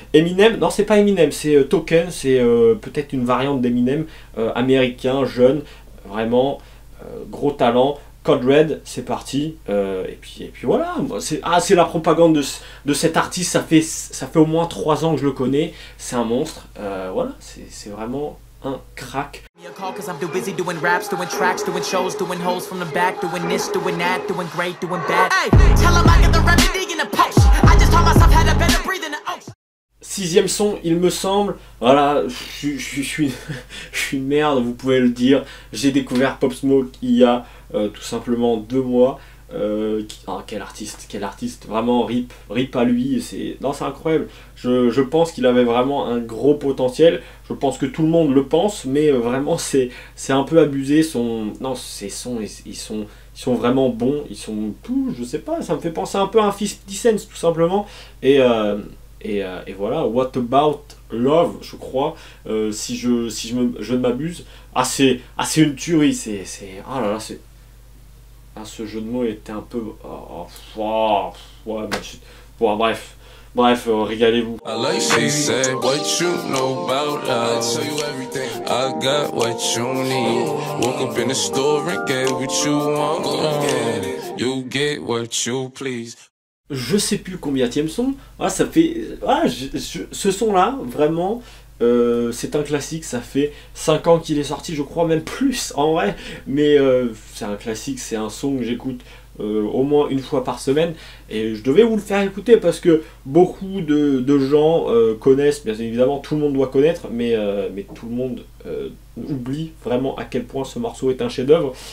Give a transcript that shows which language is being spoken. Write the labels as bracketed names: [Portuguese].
[French] Eminem, non, c'est pas Eminem, c'est Token, c'est peut-être une variante d'Eminem, américain, jeune, vraiment, gros talent. Code Red, c'est parti. Et puis voilà, c'est la propagande de cet artiste, ça fait au moins 3 ans que je le connais, c'est un monstre, voilà, c'est vraiment un crack. [English] Cause I'm too busy doing raps, doing tracks, doing shows, doing holes from the back, doing this, doing that, doing great, doing bad. Hey, tell him I got the remedy in a patch. I just taught myself how to better breathe in a ocean. [French] 6e son, il me semble, voilà, je suis une merde, vous pouvez le dire. J'ai découvert Pop Smoke il y a tout simplement 2 mois. Quel artiste, vraiment rip à lui, c'est incroyable. Je pense qu'il avait vraiment un gros potentiel. Je pense que tout le monde le pense, mais vraiment c'est un peu abusé. Ses sons ils sont vraiment bons. Ils sont tout, je sais pas, ça me fait penser un peu à un 50 Cent tout simplement. Et voilà, What About Love, je crois, si je ne m'abuse. Ah, c'est une tuerie, c'est. Oh là là, c'est. Ah, ce jeu de mots était un peu. Bref, régalez-vous. [English] I like she said, what you know about us? I got what you need. Woke up in the store and get what you want. You get what you please. [French] Je sais plus combien tième son. Ah, ça fait. Ah, ce son-là, vraiment, c'est un classique. Ça fait 5 ans qu'il est sorti, je crois, même plus en vrai. Mais c'est un classique, c'est un son que j'écoute au moins une fois par semaine. Et je devais vous le faire écouter parce que beaucoup de gens connaissent, bien évidemment, tout le monde doit connaître, mais tout le monde oublie vraiment à quel point ce morceau est un chef-d'œuvre.